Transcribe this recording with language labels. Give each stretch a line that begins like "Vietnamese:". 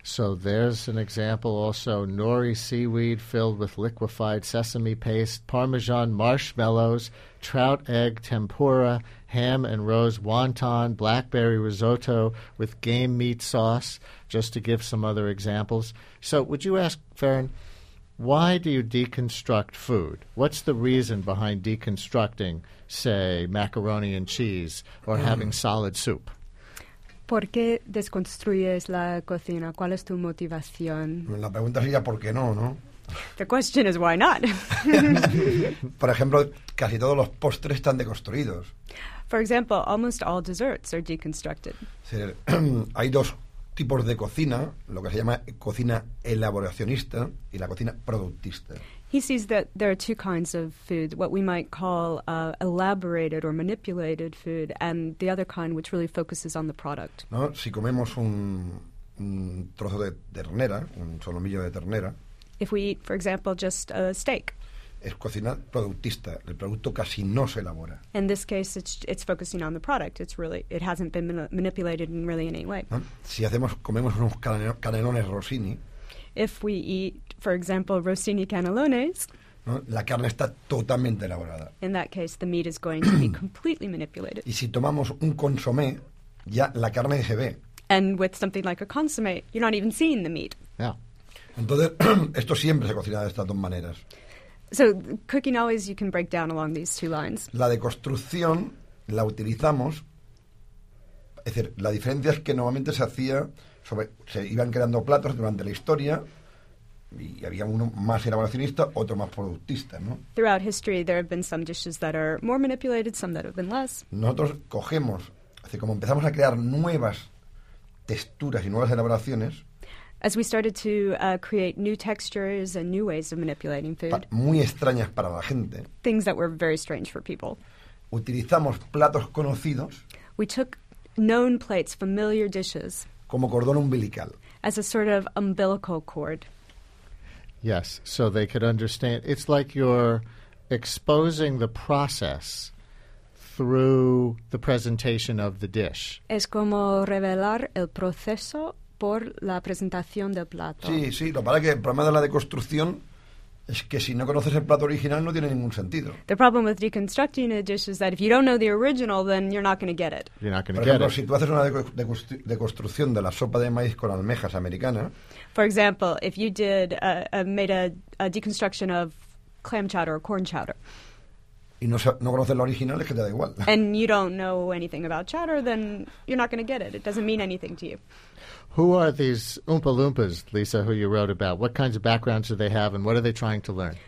English: So there's an example also, nori seaweed filled with liquefied sesame paste, Parmesan marshmallows, trout egg tempura, ham and rose wonton, blackberry risotto with game meat sauce, just to give some other examples. So would you ask, Ferran, why do you deconstruct food? What's the reason behind deconstructing, say, macaroni and cheese or having solid soup?
Spanish: ¿Por qué desconstruyes la cocina? ¿Cuál es tu motivación? La pregunta sería ¿por qué no, no?
English: The question is why not?
Spanish: Por ejemplo, casi todos los postres están deconstruidos.
English: For example, almost all desserts are deconstructed.
Spanish: Sí, hay dos tipos de cocina, lo que se llama cocina elaboracionista y la cocina productista.
English: He sees that there are two kinds of food, what we might call elaborated or manipulated food, and the other kind which really focuses on the product.
Spanish: ¿No? Si comemos un trozo de ternera, un solomillo de ternera.
English: If we eat, for example, just a steak.
Spanish: Es cocina productista, el producto casi no se elabora.
English: In this case, it's focusing on the product. It hasn't been manipulated in really any way.
Spanish: ¿No? Si comemos unos canelones Rossini.
English: If we eat, for example, Rossini canelones.
Spanish: ¿No? La carne está totalmente elaborada.
English: In that case, the meat is going to be completely manipulated.
Spanish: Y si tomamos un consomé, ya la carne se ve.
English: And with something like a consomé, you're not even seeing the meat. Yeah.
Spanish: Entonces, esto siempre se cocina de estas dos maneras.
English: So, cooking always, you can break down along these two lines.
Spanish: La deconstrucción la utilizamos, es decir, la diferencia es que normalmente se hacía sobre, se iban creando platos durante la historia, y había uno más elaboracionista, otro más productista, ¿no?
English: Throughout history, there have been some dishes that are more manipulated, some that have been less.
Spanish: Nosotros cogemos, es decir, como empezamos a crear nuevas texturas y nuevas elaboraciones.
English: As we started to create new textures and new ways of manipulating food.
Spanish: Muy extrañas para la gente.
English: Things that were very strange for people.
Spanish: Utilizamos platos conocidos.
English: We took known plates, familiar dishes.
Spanish: Como cordón umbilical.
English: As a sort of umbilical cord. Yes, so they could understand. It's like you're exposing the process through the presentation of the dish.
Spanish: Es como revelar el proceso por la presentación del plato. Sí, sí, lo para que el problema de la deconstrucción es que si no conoces el plato original no tiene ningún sentido.
English: The problem with deconstructing a dish is that if you don't know the original, then you're not going to get it. You're not going to get it.
Spanish: Por ejemplo, si tú haces una deconstrucción de la sopa de maíz con almejas americana.
English: For example, if you did made a deconstruction of clam chowder or corn chowder.
Spanish: Y no conoces lo original, es que te da igual.
English: And you don't know anything about chowder, then you're not going to get it. It doesn't mean anything to you. Who are these Oompa Loompas, Lisa, who you wrote about? What kinds of backgrounds do they have, and what are they trying to learn?